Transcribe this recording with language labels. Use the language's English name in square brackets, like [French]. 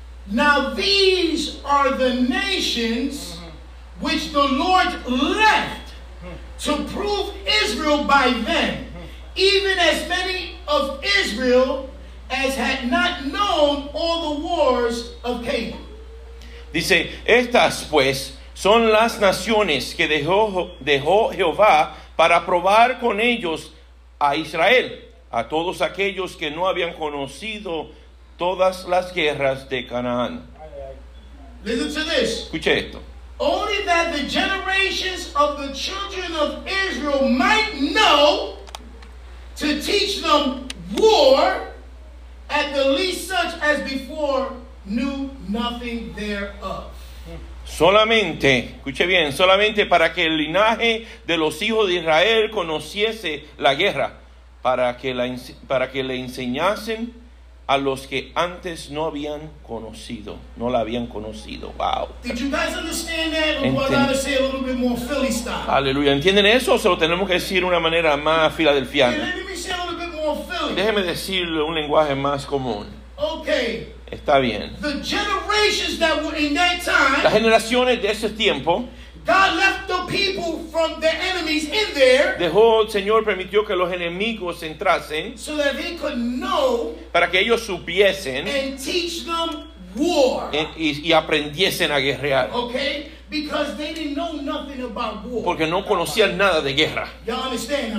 [English] Now these are the nations which the Lord left to prove Israel by them, even as many of Israel as had not known all the wars of Canaan. [Spanish] Dice, estas pues son las naciones que dejó Jehová para probar con ellos a Israel, a todos aquellos que no habían conocido todas las guerras de Canaán. [English] Listen to this. [Spanish] Escuche esto. [English] Only that the generations of the children of Israel might know to teach them war, at the least such as before knew nothing thereof. [Spanish] Solamente, escuche bien, solamente para que el linaje de los hijos de Israel conociese la guerra, para que le enseñasen a los que antes no habían conocido, no la habían conocido. Wow. [English] Did you guys understand that? Or do I have to say a little bit more Philly style? [Spanish] Aleluya. ¿Entienden eso? O se lo tenemos que decir de una manera más filadelfiana. [English] Let me say a little bit more Philly. [Spanish] Déjeme decirlo un lenguaje más común. [English] Okay. [Spanish] Está bien. [English] The generations that were in that time. [Spanish] Las generaciones de ese tiempo. [English] God left the people from the enemies in there. [Spanish] Dejó el Señor permitió que los enemigos entrasen. [English] So that they could know. [Spanish] Para que ellos supiesen. [English] And teach them war. [Spanish] Y aprendiesen a guerrear. [English] Okay? Because they didn't know nothing about war. [Spanish] Porque no conocían nada de guerra. [English] Y'all understand,